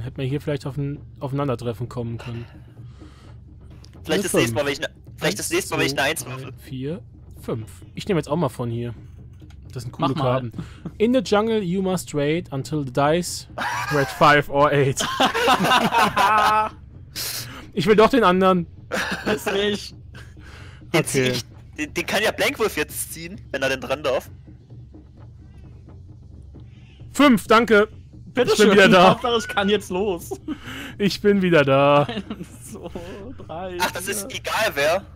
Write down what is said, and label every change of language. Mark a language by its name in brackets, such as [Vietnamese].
[German] Hätten wir hier vielleicht auf ein Aufeinandertreffen kommen können. Vielleicht das nächste Mal, wenn ich eine 1 mache. 4, 5. Ich nehme jetzt auch mal von hier. Das sind coole Karten. [English] In the jungle you must wait until the dice red 5 or 8. [German] Ich will doch den anderen. Das nicht. Jetzt okay. Den kann ja Blankwolf jetzt ziehen, wenn er denn dran darf. 5, danke. Bitte ich bin wieder da. Hauptsache, ich kann jetzt los. Ich bin wieder da. 1, 2, 3. Ach, das ist egal, wer.